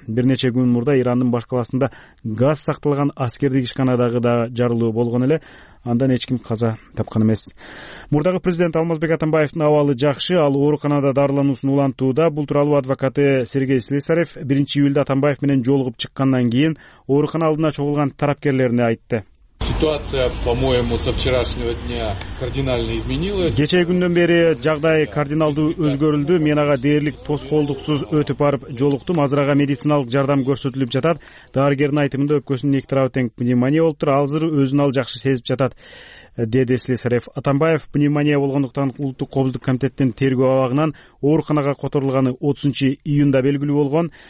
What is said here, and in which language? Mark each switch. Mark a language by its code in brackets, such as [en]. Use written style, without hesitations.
[ky] Бир нече күн мурда Ирандын баш калаасында газ сакталган аскердик ишканадагы да жарылуу болгон эле. Андан эч ким каза тапкан эмес. Мурдагы президент Алмазбек Атамбаевдин абалы жакшы, ал ооруканада дарылануусун улантууда. Бул тууралуу адвокаты Сергей Слесарев 1-июлда Атамбаев менен жолугуп чыккандан кийин оорукана алдына чогулган тарапкерлерине айтты. [ru] Ситуация, по-моему, со вчерашнего дня кардинально изменилась. [ky] Кечээ күндөн бери жагдай кардиналдуу өзгөрүлдү. Мен ага дээрлик тоскоолдуксуз өтүп барып жолуктум. Азырага медициналык жардам көрсөтүлүп жатат. Дарыгердин айтымында өпкөсүнүн эки тарабы тең пневмония болуп тур. Азыр өзүн ал жакшы сезип жатат, деди Слесарев. Атамбаев пневмония болгондуктан улуттук коопсуздук комитеттин тергөө абагынан ооруканага которулганы 30-июнда белгилүү болгон.